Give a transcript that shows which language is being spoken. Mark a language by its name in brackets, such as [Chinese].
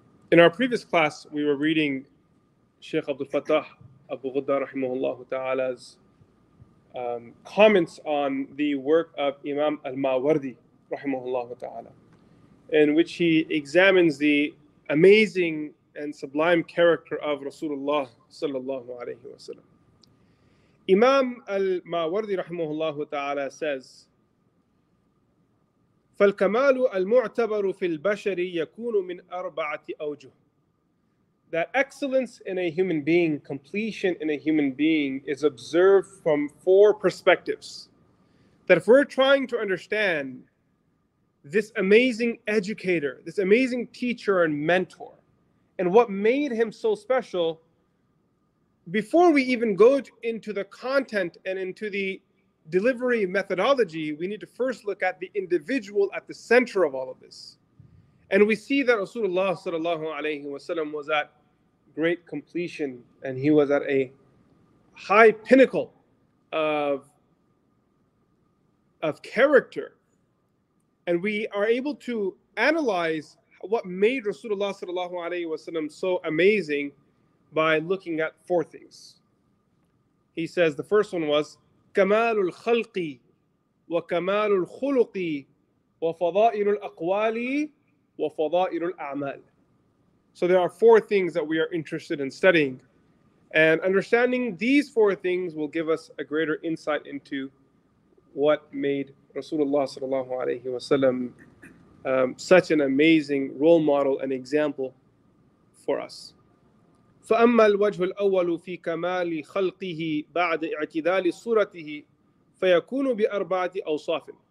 [English] In our previous class, we were reading Sheikh Abdul Fattah Abu Ghudda rahimahullahu ta'ala's comments on the work of Imam al-Mawardi [Arabic] rahimahullahu ta'ala, [English] in which he examines the amazing and sublime character of Rasulullah [Arabic] sallallahu alayhi wa sallam. [English] Imam al-Mawardi rahimahullahu ta'ala says, [Arabic] فَالْكَمَالُ الْمُعْتَبَرُ فِي الْبَشَرِ يَكُونُ مِنْ أَرْبَعَةِ أَوْجُهُ. [English] That excellence in a human being, completion in a human being, is observed from four perspectives. That if we're trying to understand this amazing educator, this amazing teacher and mentor, and what made him so special, before we even go into the content and into the delivery methodology, we need to first look at the individual at the center of all of this. And we see that Rasulullah [Arabic] sallallahu alayhi wa sallam [English] was at great completion, and he was at a high pinnacle of character. And we are able to analyze what made Rasulullah [Arabic] sallallahu alayhi wa sallam [English] so amazing by looking at four things. He says the first one was [Arabic] كمال الخلق وكمال الخلق وفضائل الأقوال وفضائل الأعمال. [English] So there are four things that we are interested in studying. And understanding these four things will give us a greater insight into what made Rasulullah [Arabic] sallallahu alayhi wa sallam [English] such an amazing role model and example for us. [Arabic] فأما الوجه الأول في كمال خلقه بعد اعتدال صورته فيكون بأربعة أوصاف.